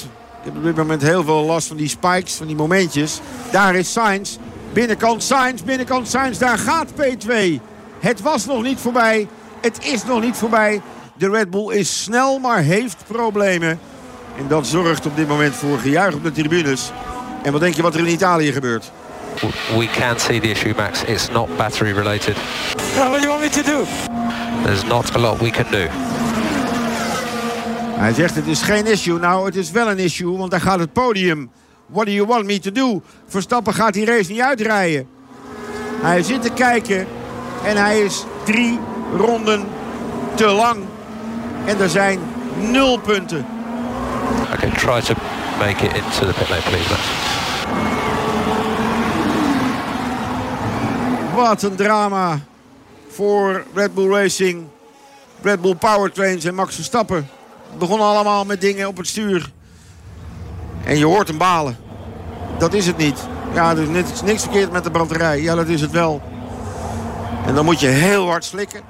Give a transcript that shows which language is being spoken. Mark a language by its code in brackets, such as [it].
[nl] Ik heb op dit moment heel veel last van die spikes, van die momentjes. Daar is Sainz. Binnenkant Sainz. Daar gaat P2. Het was nog niet voorbij. Het is nog niet voorbij. De Red Bull is snel, maar heeft problemen. En dat zorgt op dit moment voor gejuich op de tribunes. En wat denk je wat er in Italië gebeurt? [en] We can't see the issue, Max. It's not battery related. What do you want me to do? There's not a lot we can do. [nl] Hij zegt het is geen issue. Nou, het is wel een issue, want daar gaat het podium. [en] What do you want me to do? [nl] Verstappen gaat die race niet uitrijden. Hij zit te kijken en hij is 3 ronden te lang. En er zijn 0 punten. [en] Okay, try to make it into the pit lane, please. [nl] Wat een drama voor Red Bull Racing, Red Bull Powertrains en Max Verstappen. Het begon allemaal met dingen op het stuur. En je hoort hem balen. Dat is het niet. Ja, er is niks verkeerd met de batterij. Ja, dat is het wel. En dan moet je heel hard slikken.